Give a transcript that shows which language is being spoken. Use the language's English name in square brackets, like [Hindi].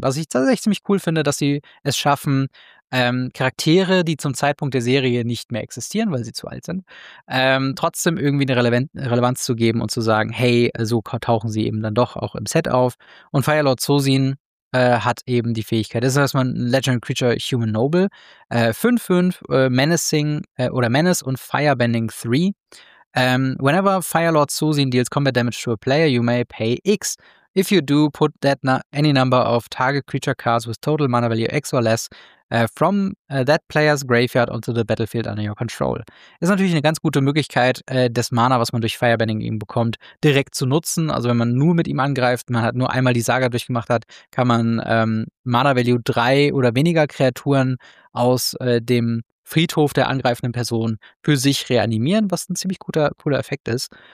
[German] Was ich tatsächlich ziemlich cool finde, dass sie es schaffen, Charaktere, die zum Zeitpunkt der Serie nicht mehr existieren, weil sie zu alt sind, trotzdem irgendwie eine Relevanz zu geben und zu sagen, hey, so tauchen sie eben dann doch auch im Set auf. Und Firelord Sozin hat eben die Fähigkeit, das heißt, man Legend Creature Human Noble, 5-5, Menacing oder Menace und Firebending 3. [English] Whenever Firelord Sozin deals combat damage to a player, you may pay X. If you do, put that any number of target creature cards with total mana value X or less from that player's graveyard onto the battlefield under your control. [German] Ist natürlich eine ganz gute Möglichkeit, das Mana, was man durch Firebending eben bekommt, direkt zu nutzen. Also wenn man nur mit ihm angreift, man hat nur einmal die Saga durchgemacht hat, kann man Mana Value 3 oder weniger Kreaturen aus dem Friedhof der angreifenden Person für sich reanimieren, was ein ziemlich cooler Effekt ist.